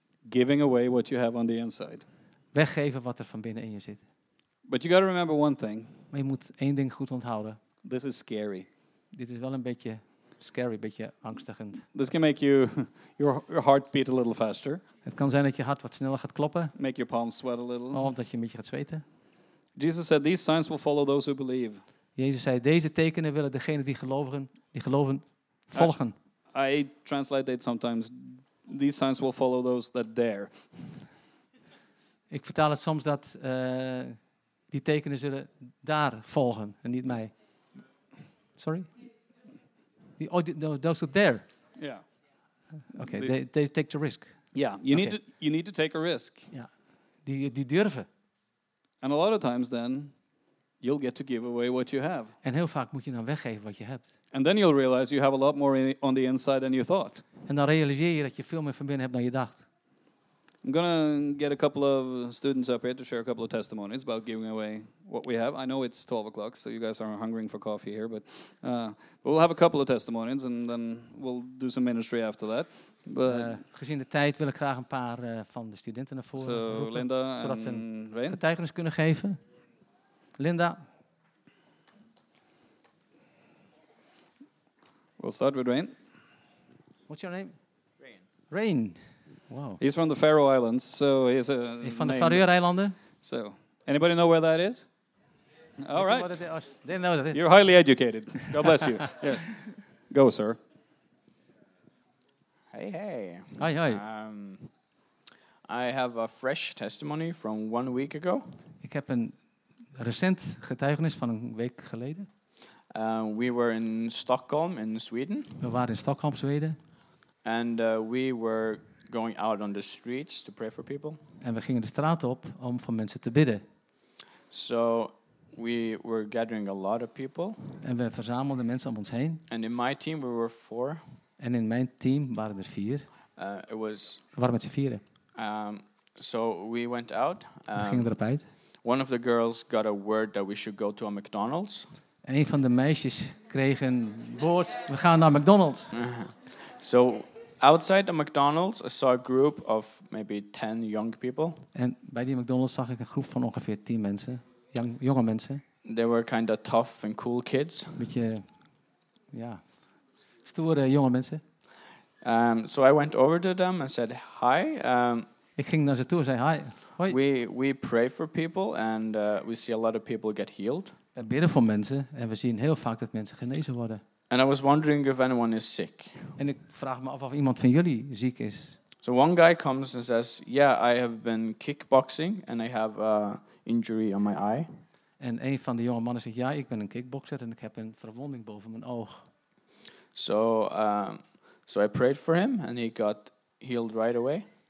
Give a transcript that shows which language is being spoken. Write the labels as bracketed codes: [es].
[en] Giving away what you have on the inside. [nl] Weggeven wat er van binnen in je zit. [en] But you got to remember one thing. [nl] Maar je moet één ding goed onthouden. [en] This is scary. [nl] Dit is wel een beetje scary, een beetje angstigend. [en] This can make you your heart beat a little faster. [nl] Het kan zijn dat je hart wat sneller gaat kloppen. [en] Make your palms sweat a little. [nl] Of dat je een beetje gaat zweten. [en] Jesus said these signs will follow those who believe. [nl] Jezus zei deze tekenen willen degene die geloven volgen. [en] I translate it sometimes. These signs will follow those that dare. [nl] Ik vertaal het soms dat die tekenen zullen daar volgen en niet mij. [en] Sorry? Those who dare. Yeah. Okay, they take the risk. Yeah, you need to take a risk. Yeah. [nl] Die durven. [en] And a lot of times then you'll get to give away what you have. [nl] En heel vaak moet je dan weggeven wat je hebt. [en] And then you'll realize you have a lot more on the inside than you thought. [nl] En dan realiseer je dat je veel meer van binnen hebt dan je dacht. [en] I'm going to get a couple of students up here to share a couple of testimonies about giving away what we have. I know it's 12 o'clock, so you guys aren't hungering for coffee here, but we'll have a couple of testimonies and then we'll do some ministry after that. But [nl] gezien de tijd wil ik graag een paar van de studenten naar voren roepen, Linda, zodat ze een getuigenis kunnen geven. Linda. [en] We'll start with Rain. What's your name? Rain. Wow. He's from the Faroe Islands, so he's a. He's from the Faroe Islands. So, anybody know where that is? All right. They know that. You're highly educated. God bless you. Yes. Go, sir. Hey. Hi. I have a fresh testimony from 1 week ago. [nl] Ik heb een recent getuigenis van een week geleden. [en] We were in Stockholm in Sweden. [nl] We waren in Stockholm, Zweden. [en] And we were going out on the streets to pray for people. [nl] En we gingen de straat op om voor mensen te bidden. [en] So we were gathering a lot of people. [nl] En we verzamelden mensen om ons heen. [en] And in my team we were 4. [nl] En in mijn team waren er 4. We waren met z'n vieren. [en] So we went out. [nl] We gingen erop uit. [en] One of the girls got a word that we should go to a McDonald's. [nl] Een van de meisjes kreeg een woord. We gaan naar McDonald's. [en] So outside the McDonald's, I saw a group of maybe 10 young people. [nl] En bij die McDonald's zag ik een groep van ongeveer 10 mensen, jonge mensen. [en] They were kind of tough and cool kids. [nl] Beetje, ja, stoere jonge mensen. [en] So I went over to them and said hi. [nl] Ik ging naar ze toe en zei hi. Hoi. [en] We pray for people and we see a lot of people get healed. [nl] We bidden voor mensen en we zien heel vaak dat mensen genezen worden. [en] And I was wondering if anyone is sick. [nl] En ik vraag me af of iemand van jullie ziek is. [en] So one guy comes and says, yeah, I have been kickboxing and I have an injury on my eye. [nl] En een van de jonge mannen zegt, ja, ik ben een kickboxer en ik heb een verwonding boven mijn oog. [en] So I prayed for him and he got healed right away.